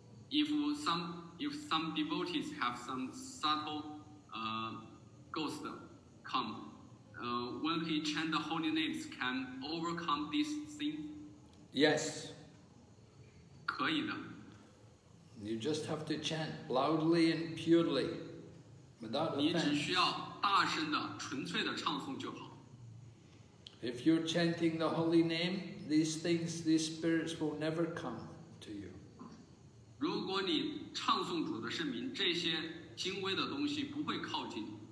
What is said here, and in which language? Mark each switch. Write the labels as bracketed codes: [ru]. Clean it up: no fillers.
[en] If some devotees have some subtle ghost come, when he chant the holy names, can overcome this thing? Yes. [zh] 可以的. [en] You just have to chant loudly and purely, without offense. [zh] 你只需要大声的、纯粹的唱诵就好. [en] If you're chanting the holy name, these things, these spirits will never come to you. [zh] 如果你 唱诵主的圣名，这些精微的东西不会靠近你。